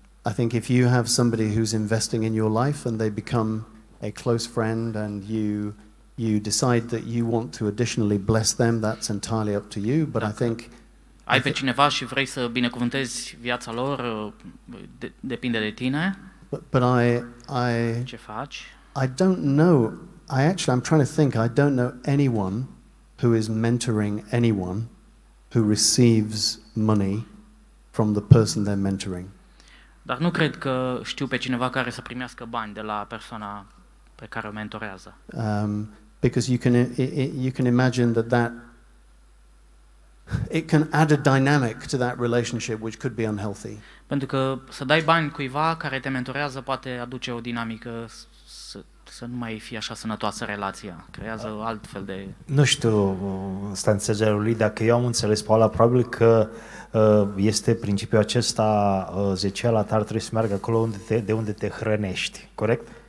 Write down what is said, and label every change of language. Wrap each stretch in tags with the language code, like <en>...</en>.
<en>I think if you have somebody who's investing in your life and they become a close friend and you decide that you want to additionally bless them, that's entirely up to you, but I think</en> <ro>ai pe cineva și vrei să binecuvântezi viața lor, depinde de tine.</ro> <en>But I</en> <ro>ce faci?</ro> <en>I don't know. I'm trying to think. I don't know anyone who is mentoring anyone who receives money from the person they're mentoring.</en> <ro>Dar nu cred că știu pe cineva care să primească bani de la persoana pe care o mentorează.</ro> <en>Because you can imagine that it can add a dynamic to that relationship which could be unhealthy.</en> <ro>Pentru că să dai bani cuiva care te mentorează poate aduce o dinamică să nu mai fie așa sănătoasă relația. Creează alt fel de... Nu știu, stai înțelegerea lui, dacă eu am înțeles, Paula, probabil că este principiul acesta, zeciala ta ar trebui să meargă acolo de unde te hrănești, corect?</ro>